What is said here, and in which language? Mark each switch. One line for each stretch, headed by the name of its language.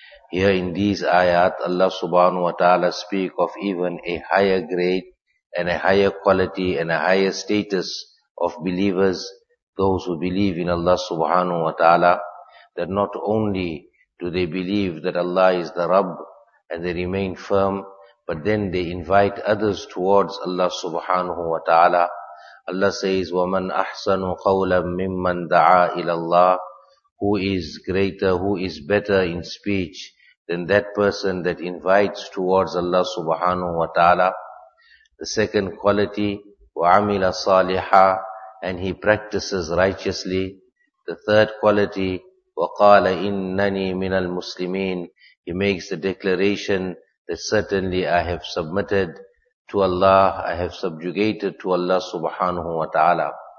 English: Here in these ayat, Allah subhanahu wa ta'ala speak of even a higher grade and a higher quality and a higher status of believers, those who believe in Allah subhanahu wa ta'ala, that not only do they believe that Allah is the Rabb and they remain firm, but then they invite others towards Allah subhanahu wa ta'ala. Allah says,
Arabic: وَمَنْ أَحْسَنُ قَوْلًا مِمَّنْ دَعَى إِلَى اللَّهِ.
English: Who is greater, who is better in speech than that person that invites towards Allah subhanahu wa ta'ala. The second quality,
Arabic: وَعَمِلَ صَالِحًا,
English: and he practices righteously. The third quality,
Arabic: وَقَالَ إِنَّنِي مِنَ الْمُسْلِمِينَ,
English: he makes the declaration that certainly I have submitted to Allah, I have subjugated to Allah subhanahu wa ta'ala.